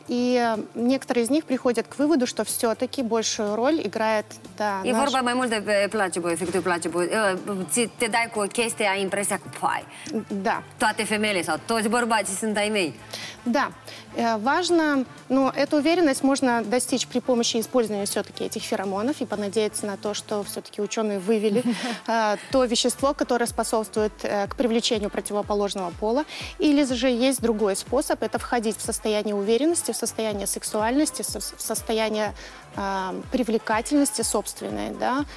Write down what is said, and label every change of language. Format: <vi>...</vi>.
<ru>И некоторые из них приходят к выводу, что все-таки большую роль играет, да.</ru> <ro>И ворба mai mult de placebo, efectul placebo. Te dai cu o chestie, ai impresia că, pai, da, toate femeile sau toți bărbații sunt ai mei.</ro> <ru>Да, важно, но эту уверенность можно достичь при помощи использования все-таки этих феромонов и понадеяться на то, что все-таки ученые вывели то вещество, которое способствует к привлечению противоположного пола. Или же есть другой способ, это входить в состояние уверенности, в состояние сексуальности, в состояние привлекательности собственной. Да?</ru>